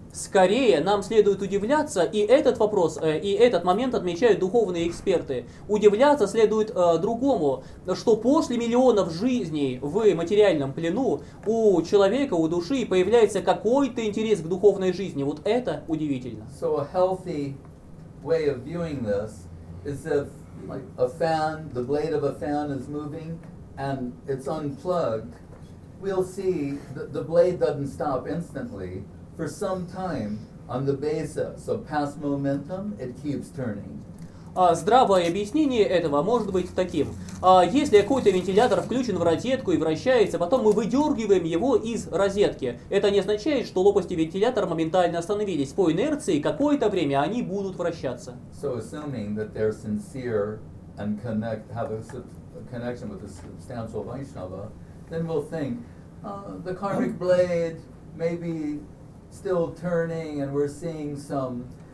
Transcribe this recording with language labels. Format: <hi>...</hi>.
<ru>Скорее, нам следует удивляться, и этот вопрос, и этот момент отмечают духовные эксперты. Удивляться следует другому, что после миллионов жизней в материальном плену у человека, у души появляется какой-то интерес к духовной жизни. Вот это удивительно.</ru> <en>So a healthy way of viewing this is if like a fan, the blade of a fan is moving, and it's unplugged, we'll see that the blade doesn't stop instantly. For some time, on the basis of past momentum, it keeps turning.</en> <ru>Здравое объяснение этого может быть таким. Если какой-то вентилятор включен в розетку и вращается, потом мы выдергиваем его из розетки. Это не означает, что лопасти вентилятора моментально остановились. По инерции какое-то время они будут вращаться.</ru> <en>So assuming that they're sincere and connection with a substantial Vaishnava, then we'll think the karmic blade may be still turning and we're seeing some</en>